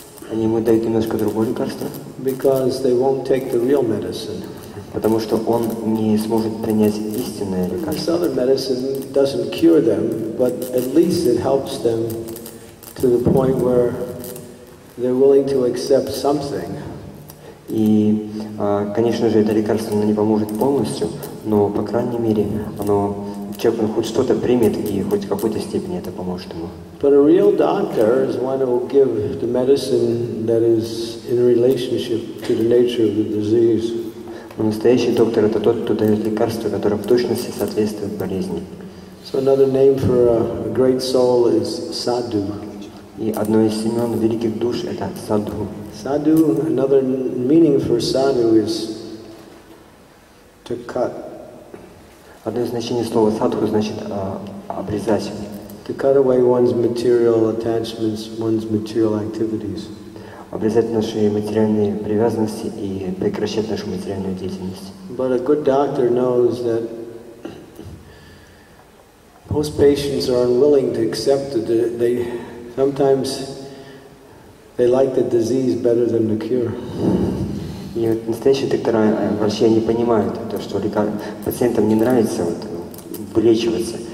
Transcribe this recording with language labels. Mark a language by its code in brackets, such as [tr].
[ru] Они ему дают немножко другое лекарство. [en] Because they won't take the real medicine. [ru] Потому что он не сможет принять истинное лекарство. [en] This other medicine doesn't cure them, but at least it helps them to the point where they're willing to accept something. [ru] И, конечно же, это лекарство не поможет полностью, но, по крайней мере, оно, человек он хоть что-то примет, и хоть в какой-то степени это поможет ему. [en] But a real doctor is one who will give the medicine that is in relationship to the nature of the disease. [ru] Но настоящий доктор — это тот, кто дает лекарство, которое в точности соответствует болезни. [en] So another name for a great soul is sadhu. [ru] И одно из имен великих душ — это садху. [en] Sadhu, another meaning for sadhu is to cut. [ru] Одно из значений слова садху значит обрезать. [en] To cut away one's material attachments, one's material activities. [ru] Обрезать наши материальные привязанности и прекращать нашу материальную деятельность. [en] But a good doctor knows that most patients are unwilling to accept that they sometimes they like the disease better than the cure. [ru] И вот настоящие доктора, врачи, они понимают то, что пациентам не нравится вот вылечиваться.